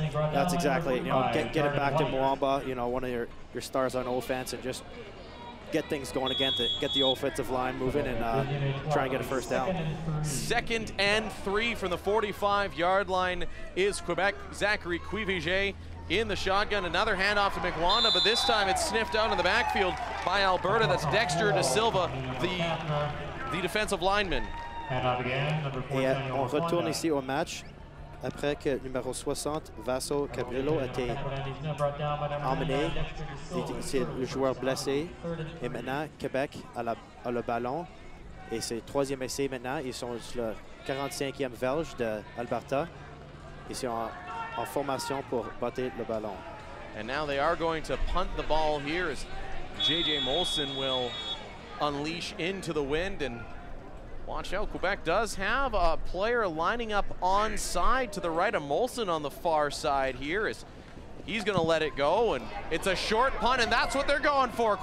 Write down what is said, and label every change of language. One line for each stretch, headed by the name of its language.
English: That's exactly, you know, get it back to Mwamba, you know, one of your stars on offense, and just get things going again to get the offensive line moving and try and get a first down. Second and three from the 45-yard line is Quebec. Zachary Cuivier in the shotgun. Another handoff to McWanda, but this time it's sniffed out in the backfield by Alberta. That's Dexter Da Silva, the defensive lineman.
French: Et on retourne ici au match après que numéro 60, Vaso Cabrillo, a été emmené. C'est le joueur blessé. Et maintenant, Québec a le ballon. Et c'est le troisième essai maintenant. Ils sont sur le 45e verge d'Alberta. Ils sont en formation pour battre le ballon.
English: And now they are going to punt the ball here as J.J. Molson will unleash into the wind. And watch out, Quebec does have a player lining up onside to the right of Molson on the far side here. He's gonna let it go, and it's a short punt, and that's what they're going for.